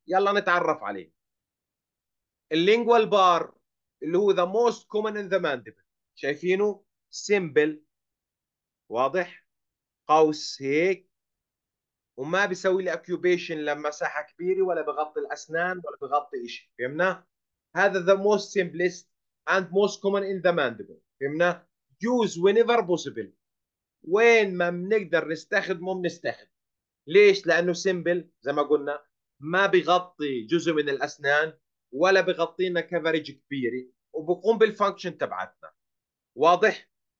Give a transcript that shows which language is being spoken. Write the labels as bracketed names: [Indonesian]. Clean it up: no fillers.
[Arabic] يلا نتعرف عليه. اللينجوال بار اللي هو [English] the most common in the mandible, [Arabic] شايفينه سيمبل، واضح قوس هيك، وما بيسوي لي اكيوبيشن لمساحه كبيره، ولا بغطي الاسنان ولا بغطي شيء، فهمنا. هذا [English] the most simplest and most common in the mandible. [Arabic] فهمنا؟ [English] use whenever possible. [Arabic] وين ما بنقدر نستخدمه بنستخدم. ليش؟ لأنه simple زي ما قلنا ما بغطي جزء من الأسنان ولا بغطينا كفرج كبير وبقوم بالفانكشن تبعتنا. واضح؟